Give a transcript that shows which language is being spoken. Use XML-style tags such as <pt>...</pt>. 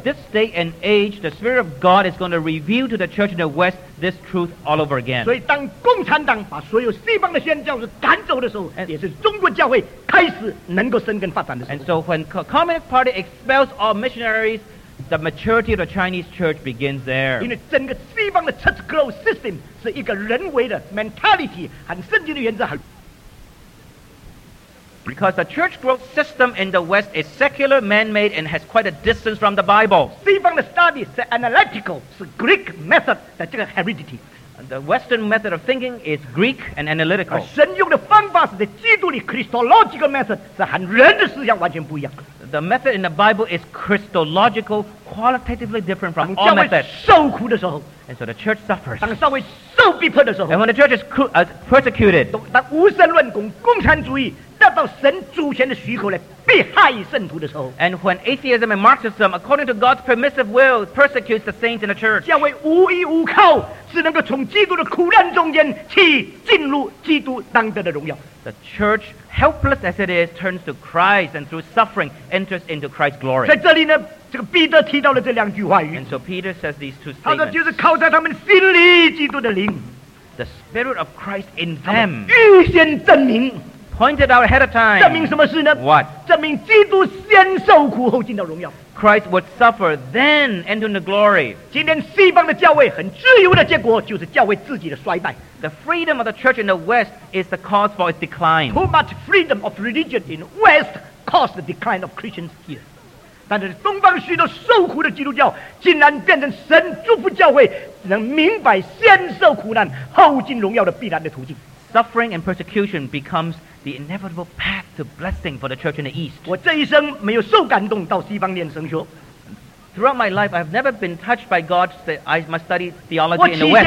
<en>At this day and age, the Spirit of God is going to reveal to the church in the West this truth all over again.</en> <zh>所以当共产党把所有西方的宣教士赶走的时候，也是中国教会开始能够生根发展的时候。</zh> <en>And so when Communist Party expels all missionaries, the maturity of the Chinese church begins there.</en> <zh>因为整个西方的</zh> <en>church growth system</en> <zh>是一个人为的</zh> <en>mentality</en> <zh>和圣经的原则。</zh> <en>Because the church growth system in the West is secular, man-made, and has quite a distance from the Bible.</en> <zh>西方的</zh> <en>study</en> <zh>是</zh> <en>analytical,</en> <zh>是</zh> <en>Greek method</en> <zh>的这个</zh> <en>heredity. The Western method of thinking is Greek and analytical.</en> <zh>而神用的方法是 基督的</zh> <en>Christological method,</en> <zh>是和人的思想完全不一样。</zh> <en>The method in the Bible is Christological, qualitatively different from all methods.</en> <zh>当教会受苦的时候,</zh> <en>and so the church suffers.</en> <zh>当教会受逼迫的时候,</zh> <en>and when the church is persecuted,</en> <zh>当无神论共产主义, 得到神主权的许可来迫害圣徒的时候,</zh> <en>and when atheism and Marxism, according to God's permissive will, persecutes the saints in the church,</en> <zh>教会无依无靠, 只能够从基督的苦难中间去进入基督当得的荣耀。</zh> <en>The church, helpless as it is, turns to Christ and through suffering enters into Christ's glory.</en> <zh>在这里呢, 这个彼得提到了这两句话语,</zh> <en>and so Peter says these two statements.</en> <zh>他说就是靠在他们心里基督的灵,</zh> <en>the Spirit of Christ in them,</en> <zh>预先证明,</zh> <en>pointed out ahead of time.</en> <zh>证明什么事呢?</zh> <en>What?</en> <zh>证明基督先受苦后进到荣耀。</zh> <en>Christ would suffer then enter into glory.</en> <zh>今天西方的教会很自由的结果就是教会自己的衰败。</zh> <en>The freedom of the church in the West is the cause for its decline. Too much freedom of religion in West caused the decline of Christians here.</en> <zh>但是东方许多受苦的基督教竟然变成神祝福教会能明白先受苦难后进荣耀的必然的途径。</zh> <en>Suffering and persecution becomes the inevitable path to blessing for the church in the East.</en> <zh>我这一生没有受感动到西方念神学。</zh> <en>Throughout my life, I have never been touched by God that I must study theology in the West.</en>